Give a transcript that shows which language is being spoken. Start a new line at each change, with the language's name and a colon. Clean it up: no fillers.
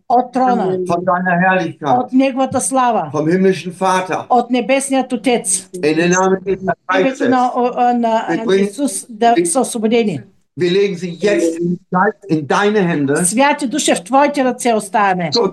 Bulgarian: От трона, от неговата слава, от небесният отец. В името на Исус да са освободени.
German: Wir legen sie jetzt in deine Hände.
Bulgarian: Святи душе в твоите ръце оставяме.